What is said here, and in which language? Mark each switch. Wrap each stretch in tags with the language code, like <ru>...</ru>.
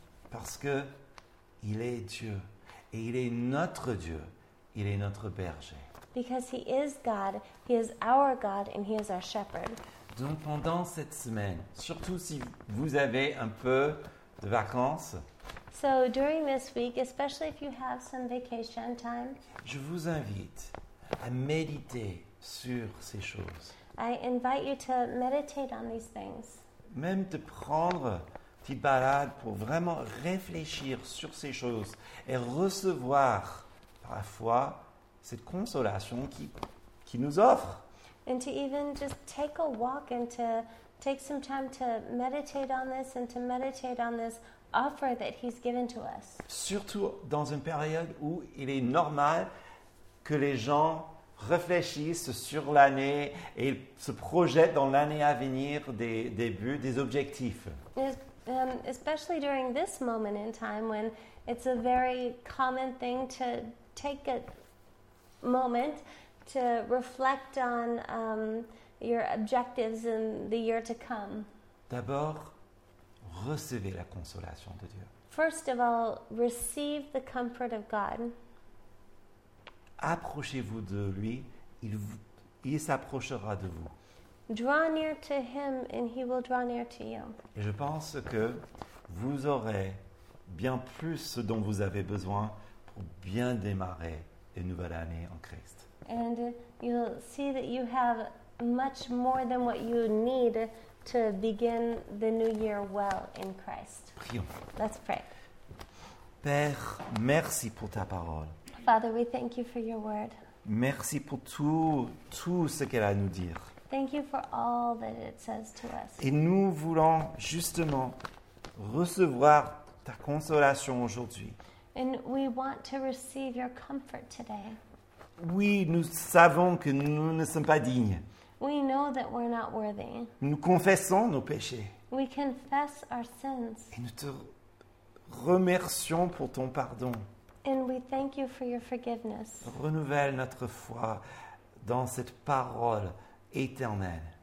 <fr>Parce que il est Dieu et il est notre Dieu, il est notre berger.</fr> <en>Because he is God, he is our God and he is our shepherd.</en> <fr>Donc pendant cette semaine, surtout si vous avez un peu de vacances.</fr> <en>So during this week, especially if you have some vacation time,</en> <fr>je vous invite à méditer sur ces choses.</fr> <en>I invite you to meditate on these things.</en> <fr>Même de prendre une petite balade pour vraiment réfléchir sur ces choses et recevoir parfois cette consolation qui nous offre.</fr> <en>And to even just take a walk and to take some time to meditate on this and to meditate on this offer that he's given to us.</en> <fr>Surtout dans une période où il est normal que les gens réfléchissent sur l'année et se projettent dans l'année à venir des buts, des objectifs.</fr> <en>Especially during this moment in time when it's a very common thing to take a moment to reflect on your objectives in the year to come.</en> <fr>D'abord, recevez la consolation de Dieu.</fr> <en>First of all, receive the comfort of God.</en> <fr>Approchez-vous de lui, il s'approchera de vous.</fr> <en>Draw near to him and he will draw near to you.</en> <fr>Et je pense que vous aurez bien plus ce dont vous avez besoin pour bien démarrer une nouvelle année en Christ.</fr> <en>And you'll see that you have much more than what you need to begin the new year well in Christ.</en> <fr>Prions.</fr> <en>Let's pray.</en> <fr>Père, merci pour ta parole.</fr> <en>Father, we thank you for your word.</en> <fr>Merci pour tout ce qu'elle a à nous dire.</fr> <en>Thank you for all that it says to us.</en> <fr>Et nous voulons justement recevoir ta consolation aujourd'hui.</fr> <en>And we want to receive your comfort today.</en> <fr>Oui, nous savons que nous ne sommes pas dignes.</fr> <en>We know that we're not worthy.</en> <fr>Nous confessons nos péchés.</fr> <en>We confess our sins.</en> <fr>Et nous te remercions pour ton pardon.</fr> <en>And we thank you for your forgiveness.</en> <fr>Renouvelle notre foi dans cette parole éternelle.</fr>